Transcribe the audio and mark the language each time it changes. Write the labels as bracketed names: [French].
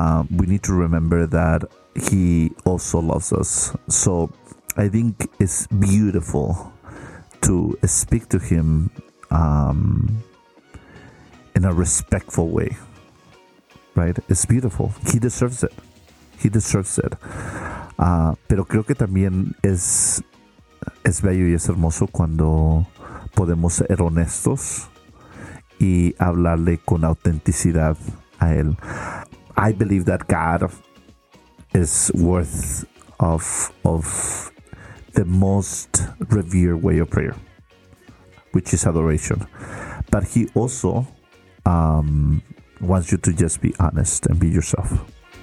[English] We need to remember that he also loves us. So I think it's beautiful to speak to him in a respectful way, right? It's beautiful. He deserves it. He deserves it. [Spanish] Pero creo que también es bello y es hermoso cuando podemos ser honestos y hablarle con autenticidad a él. [English] I believe that God is worth of the most revered way of prayer, which is adoration. But he also wants you to just be honest and be yourself.